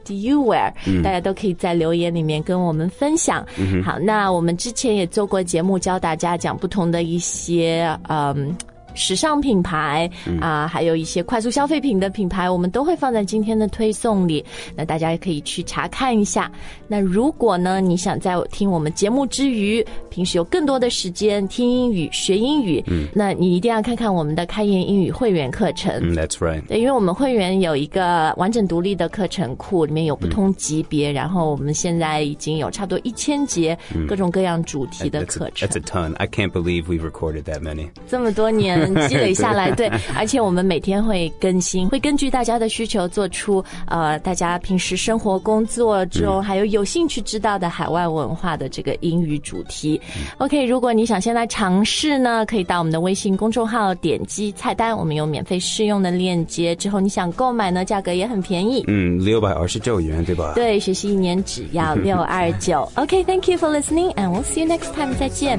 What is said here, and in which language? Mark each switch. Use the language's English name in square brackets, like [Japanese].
[English] Do you wear?、 [Chinese] 大家都可以在留言里面跟我们分享、好那我们之前也做过节目教大家讲不同的一些时尚品牌还有一些快速消费品的品牌我们都会放在今天的推送里那大家也可以去查看一下那如果呢你想在听我们节目之余平时有更多的时间听英语学英语那你一定要看看我们的开言英语会员课程、 [English] That's right [Chinese] 对因为我们会员有一个完整独立的课程库里面有不同级别、然后我们现在已经有差不多1000节各种各样主题的课程 [English] That's a ton I can't believe we've recorded that many [Chinese] 这么多年积累下来对而且我们每天会更新会根据大家的需求做出大家平时生活工作中还有兴趣知道的海外文化的这个英语主题 OK 如果你想先来尝试呢可以到我们的微信公众号点击菜单我们有免费试用的链接之后你想购买呢价格也很便宜 629元对吧对学习一年只要629 [English] OK thank you for listening and we'll see you next time [Chinese] 再见